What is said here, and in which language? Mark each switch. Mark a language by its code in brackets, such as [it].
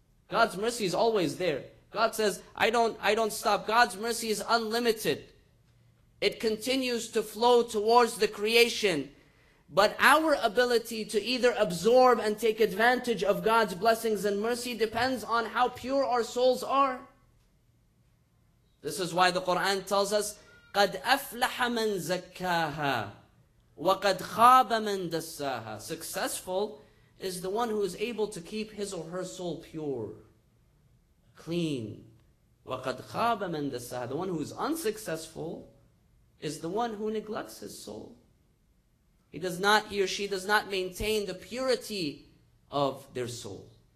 [en] God's mercy is always there. God says, I don't stop. God's mercy is unlimited. It continues to flow towards the creation. But our ability to either absorb and take advantage of God's blessings and mercy depends on how pure our souls are. This is why the Quran tells us, [ar] قَدْ أَفْلَحَ مَنْ زَكَّاهَا وَقَدْ خَابَ مَنْ دَسَّاهَا. [en] Successful is the one who is able to keep his or her soul pure, clean. [ar] وَقَدْ خَابَ مَنْ دَسَّاهَا. [en] The one who is unsuccessful is the one who neglects his soul. He does not, he or she does not maintain the purity of their soul.